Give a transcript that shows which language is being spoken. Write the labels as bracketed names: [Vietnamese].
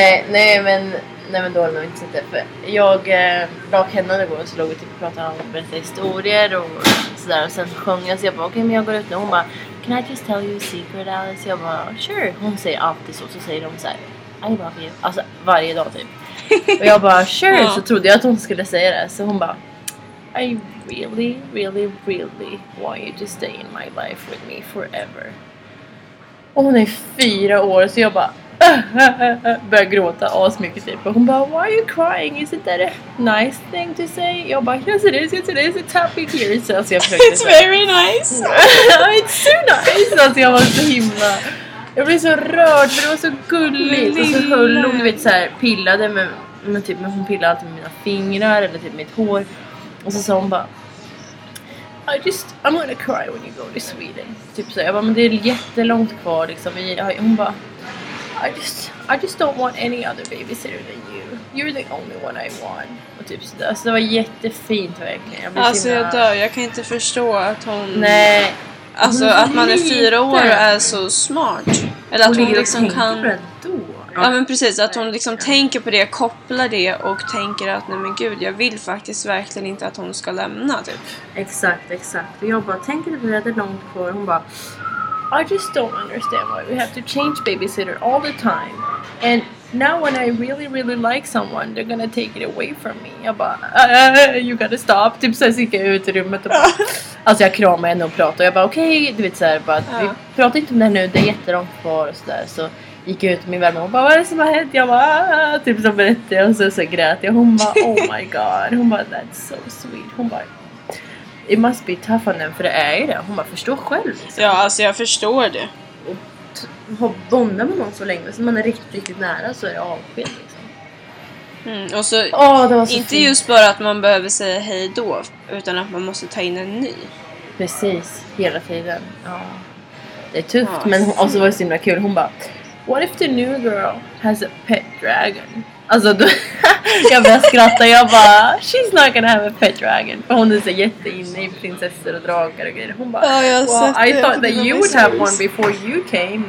[Swedish] Nej, men då har jag inte sett det. För jag rakhändade igår och så låg vi typ och pratade om berättade historier och sådär. Och sen sjöng jag, så jag bara okej, men jag går ut nu. Hon bara, [English] can I just tell you a secret, Alice? [Swedish] Jag bara, sure. Hon säger alltid så. Så säger de så här, [English] I love you. [Swedish] Alltså varje dag typ. Och jag bara, sure. Så trodde jag att hon skulle säga det. Så hon bara, [English] I really, really, really want you to stay in my life with me forever. [Swedish] Och hon är 4 år, så jag bara börjar gråta asmycket typ. Och hon bara, [English] why are you crying? Is it that a nice thing to say? [Swedish] Jag bara, [English] yes it is, yes it is, it's happy here. [Swedish] Så alltså, jag försökte, it's så, [English] very nice. It's too nice. [Swedish] Alltså jag var så himla, jag blev så rörd för det var så gulligt. Och så höll hon, du vet, så här, pillade med typ, hon pillade alltid med mina fingrar eller typ mitt hår. Och så sa hon bara, [English] I'm gonna cry when you go to Sweden. [Swedish] Typ så. Jag bara, men det är jättelångt kvar liksom. Hon bara, [English] I just don't want any other babysitter than you. You're the only one I want. [Swedish] Och typ så. Alltså det var jättefint verkligen. Jag blev alltså himla, jag dör. Jag kan inte förstå att hon, nej. Alltså hon, att man är 4 år och är så smart. Eller att hon liksom kan, ja men precis, att hon liksom tänker på det, kopplar det och tänker att nej men gud, jag vill faktiskt verkligen inte att hon ska lämna typ. Exakt, exakt. Och jag bara, tänker på det långt kvar. Hon bara, [English] I just don't understand why we have to change babysitter all the time. And now when I really really like someone, they're gonna take it away from me. [Swedish] Jag bara, [English] you gotta stop. [Swedish] Typ såhär, så gick jag ut i rummet och bara, alltså jag kramar henne och pratar. Och jag bara, okej, okay, du vet såhär, bara, ja. Vi pratar inte om det här nu, det är jättelångt kvar och sådär. Så gick ut min värme och bara, vad är det som har hänt? Jag bara, typ som berättade jag. Och så grät jag. Hon bara, [English] oh my god. [Swedish] Hon bara, [English] that's so sweet. Hon bara, it must be tough on them. [Swedish] För det är ju det. Hon bara, förstår själv. Liksom. Ja, alltså jag förstår det. Och har bondat med någon så länge. Så man är riktigt, riktigt nära, så är det avsked liksom. Mm, och så, oh, det var så inte fint. Just bara att man behöver säga hej då. Utan att man måste ta in en ny. Precis, hela tiden. Ja. Det är tufft, ja, men också var det så himla kul. Hon bara, [English] what if the new girl has a pet dragon? [Swedish] Alltså då, jag började skratta. Jag bara, [English] she's not gonna have a pet dragon. [Swedish] För hon är så jätteinne i prinsessor och dragar och grejer. Hon bara, oh, jag, [English] well, I thought that you would have one before you came.